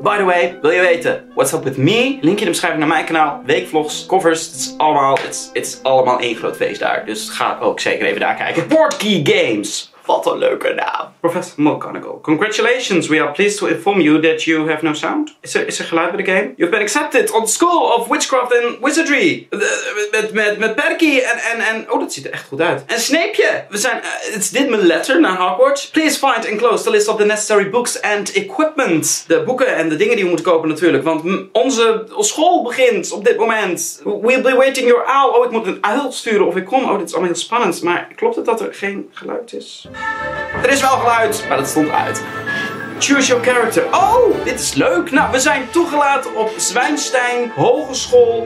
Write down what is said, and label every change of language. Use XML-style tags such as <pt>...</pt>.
<en>By the way,</en> <nl>wil je weten</nl> <en>what's up with me?</en> <nl>Link in de beschrijving naar mijn kanaal. Weekvlogs, covers, het is allemaal één groot feest daar. Dus ga ook zeker even daar kijken. Portkey Games. Wat een leuke naam. Professor McGonagall.</nl> <en>Congratulations, we are pleased to inform you that you have no sound.</en> <nl>Is er geluid bij de game?</nl> <en>You've been accepted on the School of Witchcraft and Wizardry.</en> <nl>Met Perky en... Oh, dat ziet er echt goed uit. En Snaepje. We zijn... Is dit mijn letter naar Hogwarts?</nl> <en>Please find enclosed the list of the necessary books and equipment.</en> <nl>De boeken en de dingen die we moeten kopen natuurlijk. Want onze school begint op dit moment.</nl> <en>We'll be waiting your owl.</en> <nl>Oh, ik moet een uil sturen of ik kom. Oh, dit is allemaal heel spannend. Maar klopt het dat er geen geluid is? Er is wel geluid, maar dat stond uit.</nl> <en>Choose your character.</en> <nl>Oh, dit is leuk. Nou, we zijn toegelaten op Zwijnsteen Hogeschool.</nl>